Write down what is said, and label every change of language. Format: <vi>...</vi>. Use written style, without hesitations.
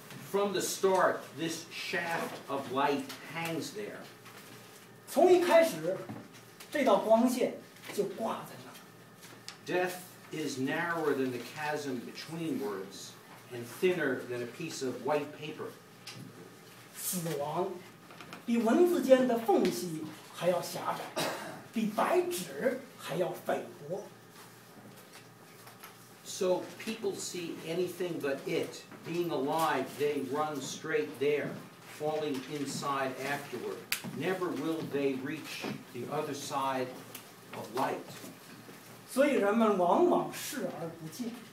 <en>From the start, this shaft of light hangs there.</en> <zh>从一开始,这道光线就挂在那。</zh> <en>Death is narrower than the chasm between words, and thinner than a piece of white paper.</en> <zh>死亡比文字间的缝隙还要狭窄,比白纸还要菲薄。</zh> <en>So people see anything but it. Being alive, they run straight there, falling inside afterward. Never will they reach the other side of light.</en> <zh>所以人们往往视而不见。</zh>